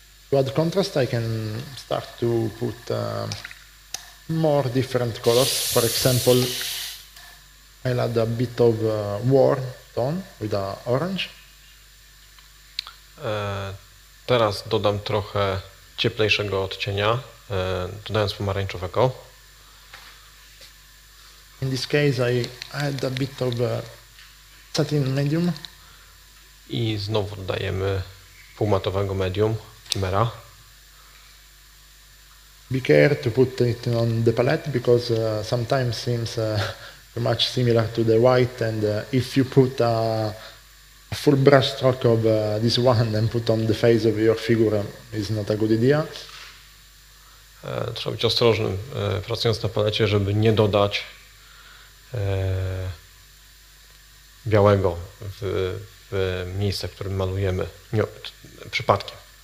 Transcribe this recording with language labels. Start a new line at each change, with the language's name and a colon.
English: To add contrast, I can start to put more different colors. For example, I'll add a bit of warm tone with a orange.
Polish: Teraz dodam trochę cieplejszego odcienia, dodając pomarańczowego.
English: In this case, I add a bit of satin medium.
Polish: I znowu dodajemy półmatowego medium.
English: Chimera. Be careful to put it on the palette because sometimes seems much similar to the white, and if you put a full brush stroke of this one and put on the face of your figure, is not a good idea.
Polish: Trzeba być ostrożnym pracując na palecie, żeby nie dodać białego w miejsce, w którym malujemy, przypadkiem.